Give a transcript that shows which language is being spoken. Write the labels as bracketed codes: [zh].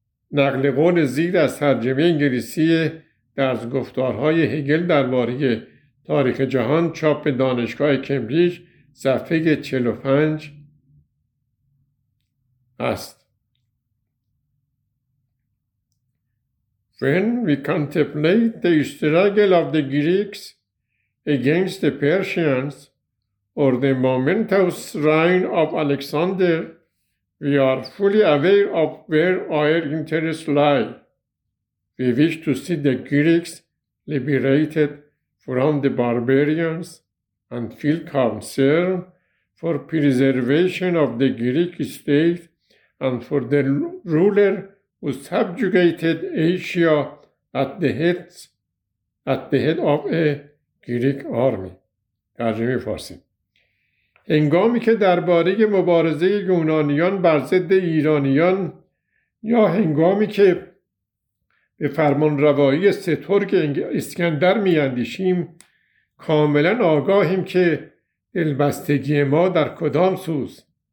[fa] نقل قول زیر از ترجمه انگلیسی در گفتارهای هگل درباره تاریخ جهان چاپ دانشگاه کمبریج صفحه 45 است. [en] When we contemplate the struggle of the Greeks against the Persians or the momentous reign of Alexander, we are fully aware of where our interests lie. We wish to see the Greeks liberated from the barbarians and feel concern for preservation of the Greek state and for the ruler who subjugated Asia at the head of a Greek army. [fa] ترجمه فارسی: هنگامی که درباره مبارزه یونانیان بر ضد ایرانیان یا هنگامی که به فرمان روایی سترگ اسکندر می اندیشیم، کاملا آگاهیم که دلبستگی ما در کدام سوز.